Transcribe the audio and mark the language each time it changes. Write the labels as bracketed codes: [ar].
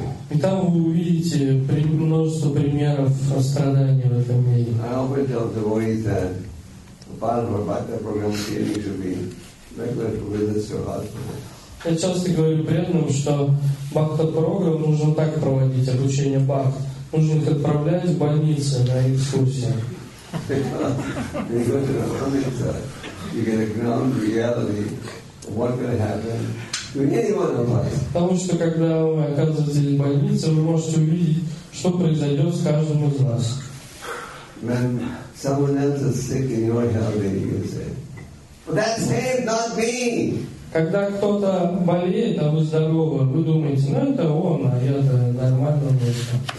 [ru] И там вы увидите множество примеров страданий в этом мире. [en] I often tell devotees that part of a bhakti program theory should be regular visits to hospital. [ru] Я часто говорю преданным, что бхакти программ нужно так проводить обучение бхакт. Нужно их отправлять в больницы на экскурсии. [en] You go to the hospital, you get a ground reality of what could happen. [ru] Потому что когда вы оказываетесь в больнице, вы можете увидеть, что произойдет с каждым из вас. [en] When someone else is sick in your health, you say, "That's him, not me." [ru] Когда кто-то болеет, а вы здоровы, вы думаете, ну это он, а я-то нормально вышел.